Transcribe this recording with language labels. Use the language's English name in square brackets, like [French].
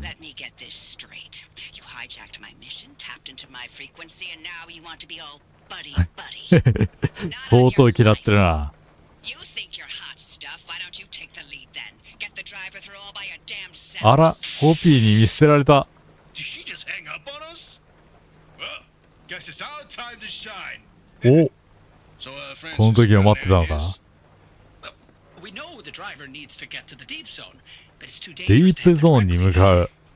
[English] Let me get this straight. You hijacked my mission, tapped into my frequency, and now you want to be all buddy buddy. [Japanese] 相当嫌ってるな。 [English] You think you're hot stuff. Why don't you take the lead then? Get the driver through all by your damn self. [Japanese] あら、コピーに見捨てられた。 [English] Did she just hang up on us? Well, guess it's our time to shine. [Japanese] お、この時を待ってたのか。 [English] We know the driver needs to get to the deep zone. [Japanese] ディープゾーンに向かう。